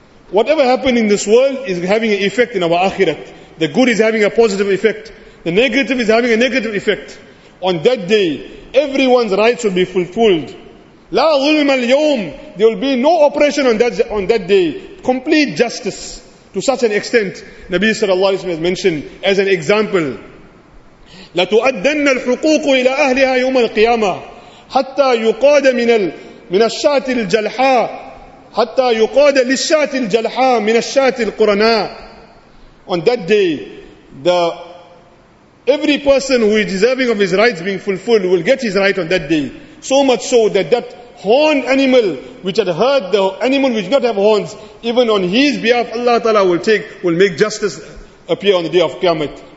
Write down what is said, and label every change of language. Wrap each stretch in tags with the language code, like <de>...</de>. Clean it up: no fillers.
<en>Whatever happened in this world is having an effect in our akhirat. The good is having a positive effect. The negative is having a negative effect. On that day, everyone's rights will be fulfilled. La ghulm al-yawm, there will be no oppression on that day. Complete justice.</en> <ar>To such an extent, Nabi sallallahu alayhi wa sallam has mentioned as an example, لَتُؤَدَّنَّ الْحُقُوقُ إِلَىٰ أَهْلِهَا يَوْمَ الْقِيَامَةِ حَتَّى يُقَادَ مِنَ الشَّاتِ الْجَلْحَىٰ حَتَّى يُقَادَ لِلشَّاتِ الْجَلْحَىٰ مِنَ الشَّاتِ الْقُرَنَىٰ.</ar> <en>On that day, every person who is deserving of his rights being fulfilled will get his right on that day. So much so that horned animal which had hurt the animal which did not have horns, even on his behalf Allah Ta'ala will make justice appear on the day of Qiyamah.</en>